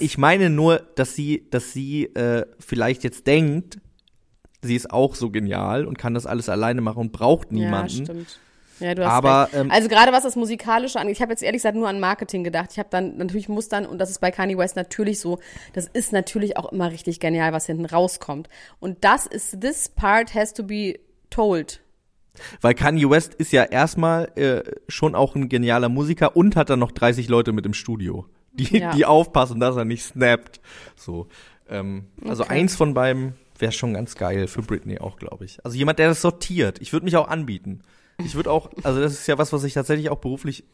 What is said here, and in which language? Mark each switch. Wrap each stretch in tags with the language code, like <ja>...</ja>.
<de>Ich meine nur, dass sie vielleicht jetzt denkt, sie ist auch so genial und kann das alles alleine machen und braucht niemanden. Ja, stimmt. Ja, du hast aber, recht. Also gerade was das Musikalische angeht, ich habe jetzt ehrlich gesagt nur an Marketing gedacht. Ich habe dann, natürlich muss dann, und das ist bei Kanye West natürlich so, das ist natürlich auch immer richtig genial, was hinten rauskommt. Und das ist,</de> <en>this part has to be told.</en> <de>Weil Kanye West ist ja erstmal schon auch ein genialer Musiker und hat dann noch 30 Leute mit im Studio. die aufpassen, dass er nicht snappt. So, also okay. Eins von beiden wäre schon ganz geil für Britney auch, glaube ich. Also jemand, der das sortiert. Ich würde mich auch anbieten. Ich würde auch, also das ist ja was ich tatsächlich auch beruflich</de>